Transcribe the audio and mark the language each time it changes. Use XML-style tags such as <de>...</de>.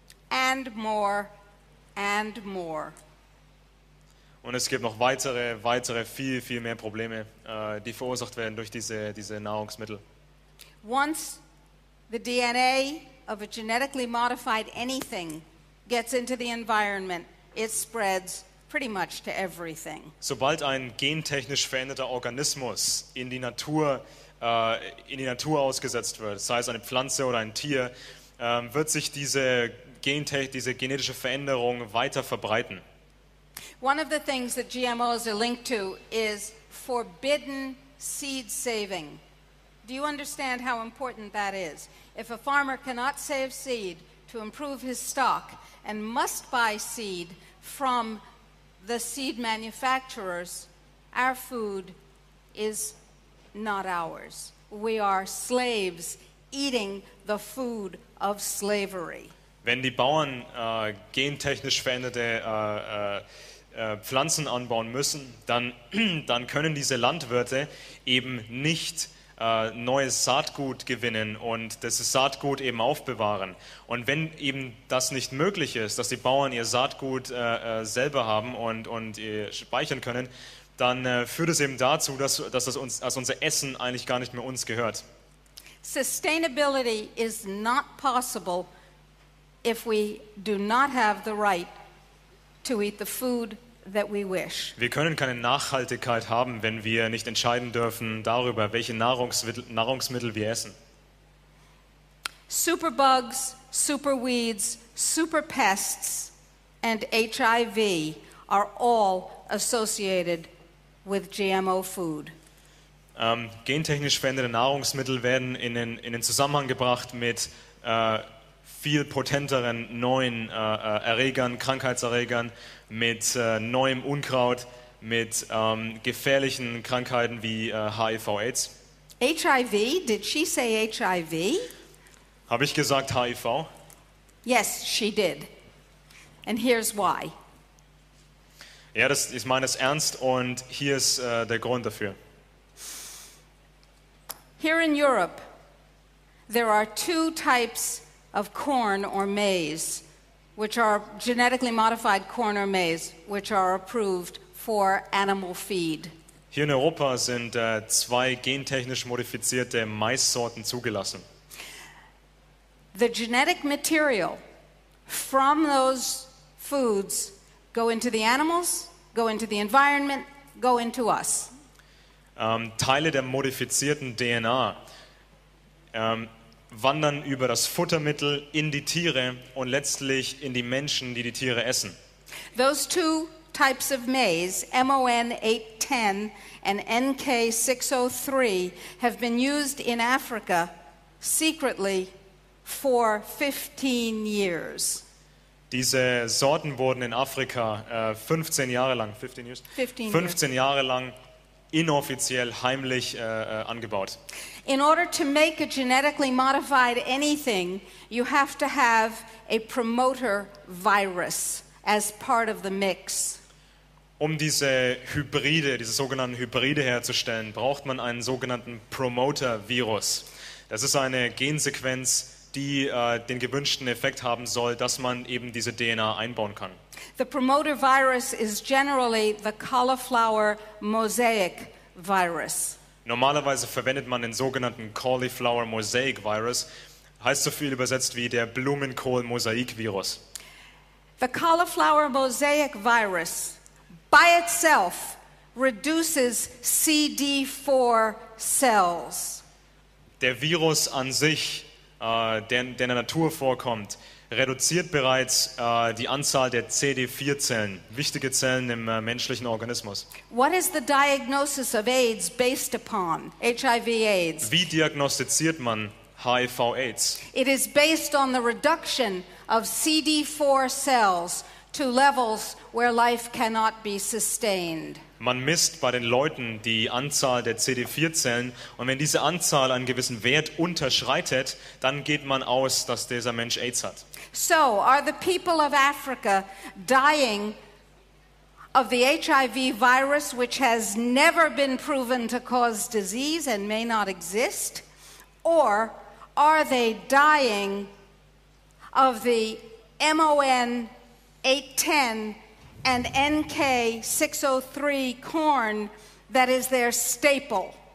<en>And more, and more.</en> <de>Und es gibt noch weitere, viel, viel mehr Probleme, die verursacht werden durch diese Nahrungsmittel.</de> <en>Once the DNA of a genetically modified anything gets into the environment, it spreads pretty much to everything.</en> <de>Sobald ein gentechnisch veränderter Organismus in die Natur ausgesetzt wird, sei es eine Pflanze oder ein Tier, wird sich diese genetische Veränderung weiter verbreiten.</de> <en>One of the things that GMOs are linked to is forbidden seed saving. Do you understand how important that is? If a farmer cannot save seed to improve his stock and must buy seed from the seed manufacturers, our food is not ours. We are slaves eating the food of slavery.</en> <de>Wenn die Bauern gentechnisch veränderte Pflanzen anbauen müssen, dann können diese Landwirte eben nicht neues Saatgut gewinnen und das Saatgut eben aufbewahren. Und wenn eben das nicht möglich ist, dass die Bauern ihr Saatgut selber haben und speichern können, dann führt es eben dazu, dass das uns, also unser Essen eigentlich gar nicht mehr uns gehört.</de> <en>Sustainability is not possible if we do not have the right to eat the food that we wish.</en> <de>Wir können keine Nachhaltigkeit haben, wenn wir nicht entscheiden dürfen darüber, welche Nahrungsmittel wir essen.</de> <en>Superbugs, superweeds, superpests and HIV are all associated with GMO food.</en> <de>Gentechnisch veränderte Nahrungsmittel werden in den Zusammenhang gebracht mit viel potenteren neuen Erregern, Krankheitserregern, mit neuem Unkraut, mit gefährlichen Krankheiten wie HIV/AIDS.</de> <en>HIV? Did she say HIV?</en> <de>Habe ich gesagt HIV?</de> <en>Yes, she did. And here's why.</en> <de>Ja, das ist meines Ernst und hier ist der Grund dafür.</de> <en>Here in Europe, there are two types of corn or maize, which are genetically modified corn or maize, which are approved for animal feed.</en> <de>Hier in Europa sind zwei gentechnisch modifizierte Maissorten zugelassen.</de> <en>The genetic material from those foods go into the animals, go into the environment, go into us.</en> <de>Teile der modifizierten DNA wandern über das Futtermittel in die Tiere und letztlich in die Menschen, die Tiere essen.</de> <en>Those two types of maize, MON810 and NK603, have been used in Africa secretly for 15 years.</en> <de>Diese Sorten wurden in Afrika 15 Jahre lang inoffiziell heimlich angebaut.</de> <en>In order to make a genetically modified anything, you have to have a promoter virus as part of the mix.</en> <de>Um diese Hybride, diese sogenannten Hybride herzustellen, braucht man einen sogenannten Promoter-Virus. Das ist eine Gensequenz, die den gewünschten Effekt haben soll, dass man eben diese DNA einbauen kann.</de> <en>The promoter virus is generally the cauliflower mosaic virus.</en> <de>Normalerweise verwendet man den sogenannten cauliflower mosaic virus, heißt so viel übersetzt wie der Blumenkohl-Mosaik-Virus.</de> <en>The cauliflower mosaic virus by itself reduces CD4 cells.</en> <de>Der Virus an sich, der in der Natur vorkommt, reduziert bereits die Anzahl der CD4-Zellen, wichtige Zellen im menschlichen Organismus.</de> <en>What is the diagnosis of AIDS based upon? HIV/AIDS.</en> <de>Wie diagnostiziert man HIV/AIDS?</de> <en>It is based on the reduction of CD4 cells to levels where life cannot be sustained.</en> <de>Man misst bei den Leuten die Anzahl der CD4-Zellen und wenn diese Anzahl einen gewissen Wert unterschreitet, dann geht man aus, dass dieser Mensch AIDS hat.</de> <en>So, are the people of Africa dying of the HIV virus, which has never been proven to cause disease and may not exist? Or are they dying of the MON-810 and NK603 corn that is their staple?</en>